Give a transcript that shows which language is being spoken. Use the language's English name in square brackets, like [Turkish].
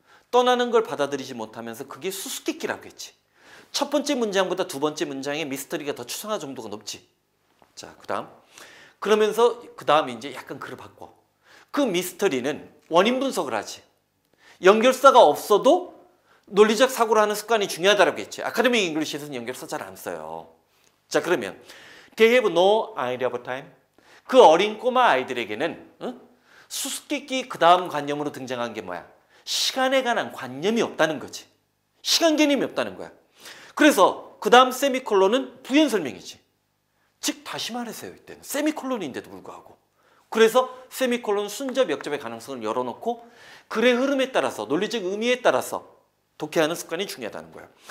[Korean] 떠나는 걸 받아들이지 못하면서 그게 수수께끼라고 했지. 첫 번째 문장보다 두 번째 문장의 미스터리가 더 추상화 정도가 높지. 자, 그 다음. 그러면서 그 다음에 이제 약간 글을 바꿔. 그 미스터리는 원인 분석을 하지. 연결사가 없어도 논리적 사고를 하는 습관이 중요하다고 했지. 아카데믹 잉글리시에서는 연결사 잘 안 써요. 자, 그러면 [English] They have no idea of time. [Korean] 그 어린 꼬마 아이들에게는 수수께끼 그 다음 관념으로 등장한 게 뭐야? 시간에 관한 관념이 없다는 거지. 시간 개념이 없다는 거야. 그래서 그 다음 세미콜론은 부연 설명이지. 즉 다시 말해서요. 이때는 세미콜론인데도 불구하고. 그래서 세미콜론 순접 역접의 가능성을 열어놓고 글의 흐름에 따라서 논리적 의미에 따라서 독해하는 습관이 중요하다는 거야.